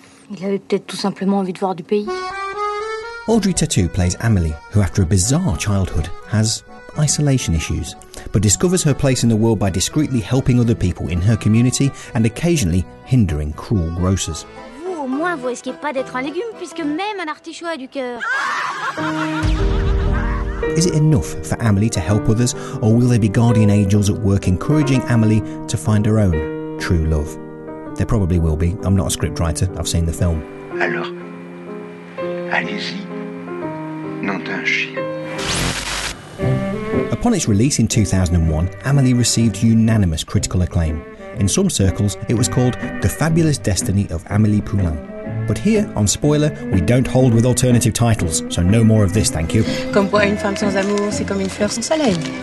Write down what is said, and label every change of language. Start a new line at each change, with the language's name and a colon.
French: Il avait peut-être tout simplement envie de voir du pays.
English: Audrey Tautou plays Amelie, who after a bizarre childhood has isolation issues, but discovers her place in the world by discreetly helping other people in her community and occasionally hindering cruel grocers.
French: Vous au moins vous risquez pas d'être un légume puisque même un artichaut a du cœur.
English: Is it enough for Amelie to help others, or will there be guardian angels at work encouraging Amelie to find her own true love? There probably will be. I'm not a scriptwriter. I've seen the film.
French: Alors, allez-y. Non, t'as un chien.
English: Upon its release in 2001, Amelie received unanimous critical acclaim. In some circles, it was called The Fabulous Destiny of Amelie Poulain. But here, on Spoiler, we don't hold with alternative titles, so no more of this, thank you.
French: Comme quoi une femme sans amour, c'est comme une fleur sans soleil.